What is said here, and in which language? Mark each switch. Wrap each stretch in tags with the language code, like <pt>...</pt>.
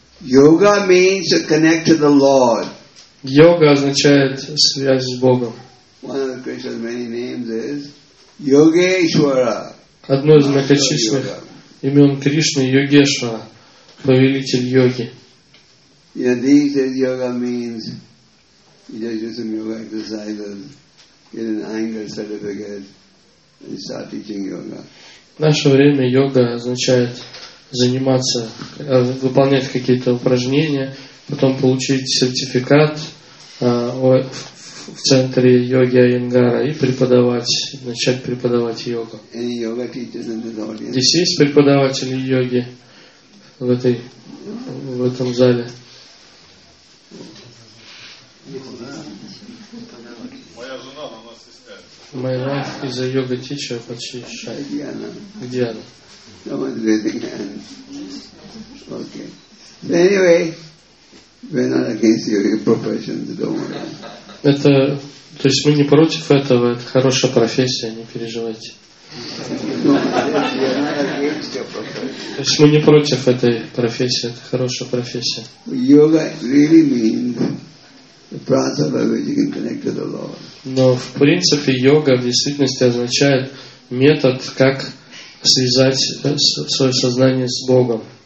<en>Yoga means to connect to the Lord.</en> <ru>Йога означает связь с Богом.</ru> <en>One of Krishna's many names is Yogeshwara.</en> <ru>Одно из многочисленных имен Кришны Йогешвара, повелитель йоги.</ru> <en>Yeah, these days yoga means you just do some yoga exercises, get an anger certificate. And start teaching yoga.</en> <ru>В наше время йога означает заниматься, выполнять какие-то упражнения, потом получить сертификат в центре йоги Айенгара и преподавать, начать преподавать йогу. Здесь есть преподаватели йоги в этом зале?</ru> <en>My wife is a yoga teacher, but she's shy. Diana. Someone's raising hands. Okay. But anyway, we're not against your profession, don't worry.</en> <ru>Это, то есть мы не против этого, это хорошая профессия, не переживайте. То есть мы не против этой профессии, это хорошая профессия.</ru> <en>Yoga really means the process by which you can connect to the Lord.</en> <ru>Но в принципе йога в действительности означает метод, как связать свое сознание с Богом.</ru>